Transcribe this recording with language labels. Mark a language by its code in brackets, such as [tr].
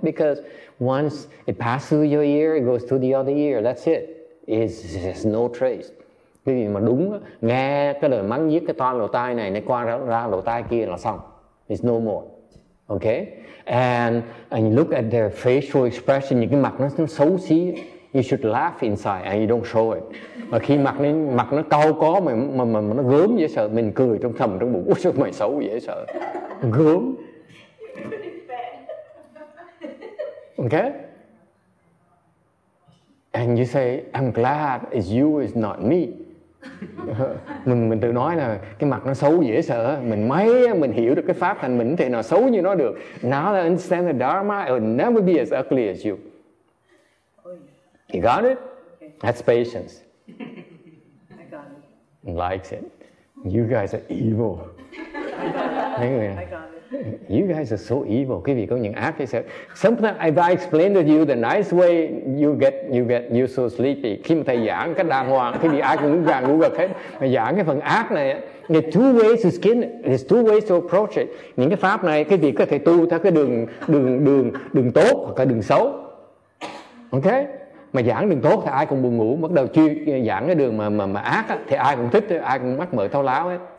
[en] Because once it passes through your ear, it goes through the other ear. That's it. It's no trace. [vi] Quý vị mà đúng nghe cái lời mắng nhiếc cái toan lỗ tai này, nó qua ra lỗ tai kia là xong. [en] It's no more. Okay? And you look at their facial expression, [vi] những cái mặt nó xấu xí, [en] you should laugh inside and you don't show it. [vi] Mà khi mặt nó cau có mà nó gớm dễ sợ, mình cười trong thầm trong bụng, ôi sao mày xấu dễ sợ. Gớm. [en] Okay? And you say, I'm glad it's you, it's not me. [vi] Mình tự nói là cái mặt nó xấu dễ sợ. Mình may mình hiểu được cái pháp hành, mình thì nó xấu như nó được. [en] Now that I understand the Dharma, it will never be as ugly as you. You got it? That's patience. I got it. Likes it. You guys are evil. I got it. You guys are so evil. [vi] Quý vị có những ác hay sao? [en] Sometimes if I explain to you the nice way, you get you so sleepy. [vi] Khi mà thầy giảng cách đàng hoàng, quý vị ai cũng ngủ gà ngủ gật hết. Mà giảng cái phần ác này, [en] there's two ways to skin it. There's two ways to approach it. [vi] Những cái pháp này, quý vị có thể tu theo cái đường tốt hoặc là đường xấu. Okay? Mà giảng đường tốt thì ai cũng buồn ngủ. Bắt đầu chưa giảng cái đường mà ác thì ai cũng thích, ai cũng mắc mở thao láo hết.